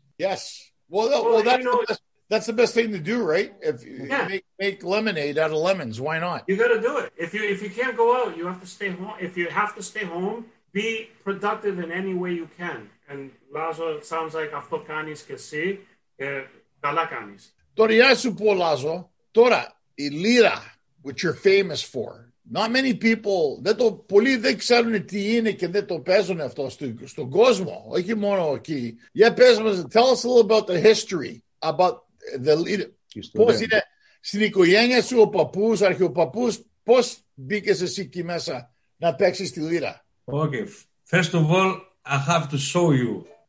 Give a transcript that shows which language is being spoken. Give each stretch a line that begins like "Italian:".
English: Yes. Well that's the best thing to do, right? Make lemonade out of lemons. Why not? You got to do it. If you can't go out, you have to stay home. If you have to stay home, be productive in any way you can. And Lazo, it sounds like
Greek: αυτό κάνεις και εσύ, καλά κάνεις. Τώρα, για σου πω, Λάζο, τώρα, η Λίρα,
English: which you're famous for, not many people,
Greek: πολλοί δεν ξέρουν τι είναι και δεν το παίζουν αυτό στον κόσμο, όχι μόνο εκεί. Για πες μας,
English: tell us a little about the history, about the Λίρα.
Greek: Πώς είναι στην οικογένεια σου, ο παππούς, αρχαιοπαππούς, πώς μπήκες εσύ εκεί μέσα να παίξεις τη Λίρα.
English: Okay, first of all, I have to show you.